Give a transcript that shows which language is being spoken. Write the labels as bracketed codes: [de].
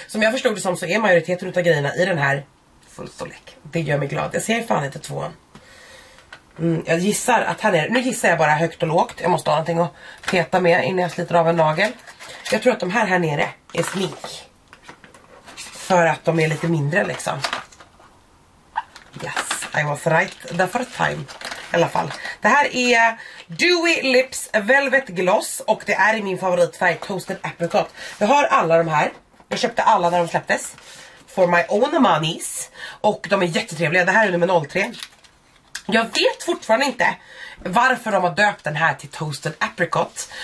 [sv] Som jag förstod det som så är majoriteten av grejerna i den här fullstorlek. Det gör mig glad, jag ser fan inte två. Jag gissar att han är, nu gissar jag bara högt och lågt. Jag måste ha någonting att peta med innan jag sliter av en nagel. Jag tror att de här nere är smink. För att de är lite mindre liksom. [en] Yes, I was right the first time. [sv] I alla fall. Det här är Dewy Lips Velvet Gloss. Och det är i min favoritfärg, Toasted Apricot. Jag har alla de här. Jag köpte alla när de släpptes. [en] For my own monies. [sv] Och de är jättetrevliga. Det här är nummer 03. Jag vet fortfarande inte varför de har döpt den här till Toasted Apricot.